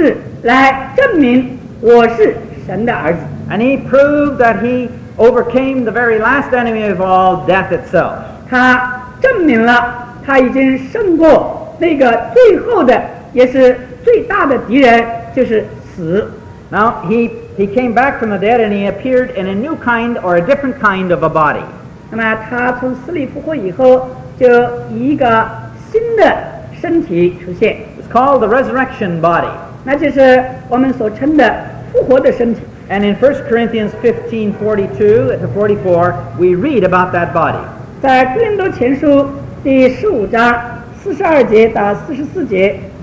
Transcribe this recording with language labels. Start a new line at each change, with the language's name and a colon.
Chinese: 他说，三天以后，我要从死里复活，用这件事来证明我是神的儿子。
English: And he proved that he overcame the very last enemy of all, death itself.
Chinese: 他证明了他已经胜过那个最后的 也是最大的敌人，就是死。
English: Now he came back from the dead and he appeared in a new kind or a different kind of a body.
Chinese: 那么他从死里复活以后，就以一个新的身体出现。
English: It's called the resurrection body.
Chinese: 那就是我们所称的复活的身体。
English: And in 1 Corinthians 15:42 to 44, we read about that body.
Chinese: 在哥林多前书第15章42节到44节。